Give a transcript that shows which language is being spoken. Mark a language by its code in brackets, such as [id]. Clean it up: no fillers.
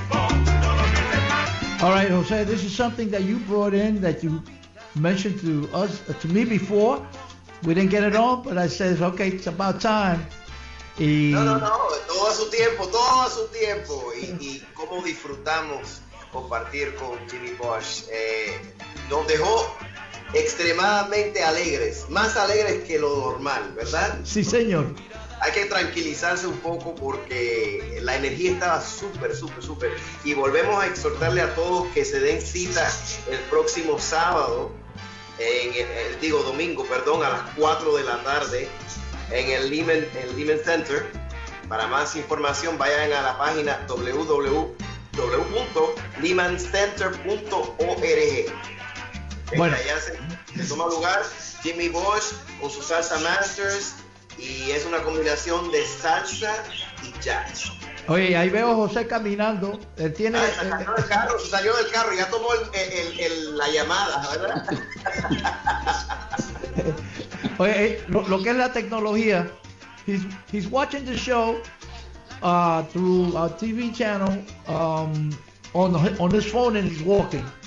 [en] Jose, this is something that you brought in that you mentioned to us, to me before. We didn't get it on, but I said, okay, it's about time. [es] No. Todo a su tiempo, todo a su tiempo. Y cómo disfrutamos compartir con Jimmy Bosch. Nos dejó extremadamente alegres, más alegres que lo normal, ¿verdad? Sí, señor. Hay que tranquilizarse un poco porque la energía estaba súper, súper, súper. Y volvemos a exhortarle a todos que se den cita el próximo sábado, domingo, a las 4 de la tarde en el Lehman Center. Para más información vayan a la página www.lehmancenter.org. Bueno. Allá se toma lugar Jimmy Bosch con su Salsa Masters. Y es una combinación de salsa y jazz. Oye, ahí veo a José caminando. Él tiene. Se salió del carro y ya tomó la llamada, ¿verdad? Oye, lo que es la tecnología. [en] He's watching the show through a TV channel on his phone and he's walking.